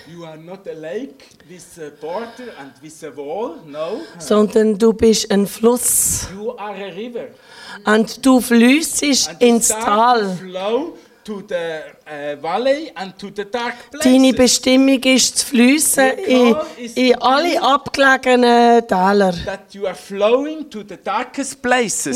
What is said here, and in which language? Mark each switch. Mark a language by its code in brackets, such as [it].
[en] You are not a lake with a border and with a wall, no. [de] Sondern du bist ein Fluss. [en] You are a river. [de] Und du fließt ins Tal. [en] Flow to the valley and to the dark places. [de] Deine Bestimmung ist zu fließen in alle abgelegenen Täler. [en] That you are flowing to the darkest places.